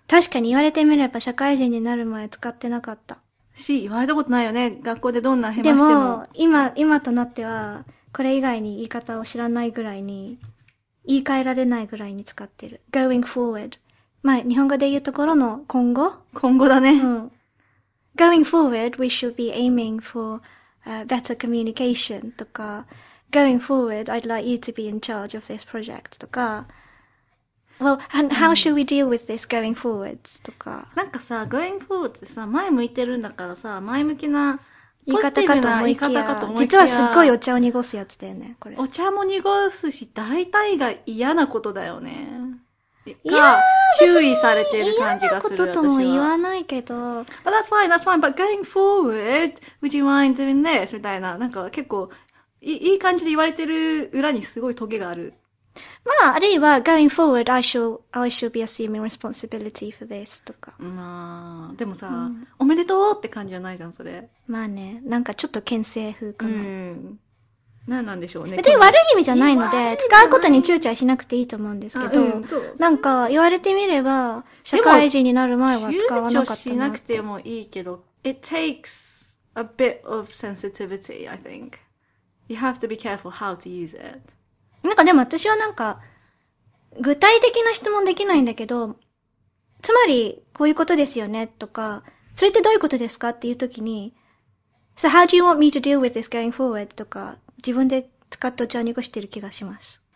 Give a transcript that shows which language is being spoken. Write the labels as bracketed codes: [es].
[ja] 確かに言われてみれば社会人になる前使ってなかった。し、言われたことないよね。学校でどんなヘマしても。でも、今となっては、これ以外に言い方を知らないぐらいに、言い換えられないぐらいに使ってる。 [en] going forward。 [ja] まあ、日本語で言うところの今後。今後だね。うん。 [en] going forward, we should be aiming for、better communication とか、going forward, I'd like you to be in charge of this project とか、Well, and how should we deal with this going forwards? [ja] とか。なんかさ、going forwards ってさ、前向いてるんだからさ、前向きな、ポジティブな言い方かと思いきや。実はすっごいお茶を濁すやつだよね、これ。お茶も濁すし、大体が嫌なことだよね。いや、注意されてる感じがする。嫌なこととも言わないけど。 [en] But that's fine, that's fine, but going forward, would you mind doing this? [ja] みたいな。なんか結構、いい感じで言われてる裏にすごいトゲがある。まあ、あるいは、going forward, I shall be assuming responsibility for this, とか。まあ、でもさ、うん、おめでとうって感じじゃないじゃん、それ。まあね、なんかちょっと牽制風かな。うん。何なんでしょうね。別に悪い意味じゃないので、使うことに躊躇しなくていいと思うんですけど、うん、そうなんか言われてみれば、社会人になる前は使わなかったなって。躊躇しなくてもいいけど、 [en] it takes a bit of sensitivity, I think. You have to be careful how to use it. [ja] なんかでも私はなんか、具体的な質問できないんだけど、つまり、こういうことですよね、とか、それってどういうことですかっていうときに、 [en] So how do you want me to deal with this going forward? [ja] とか、自分で使っとちゃうにこしてる気がします。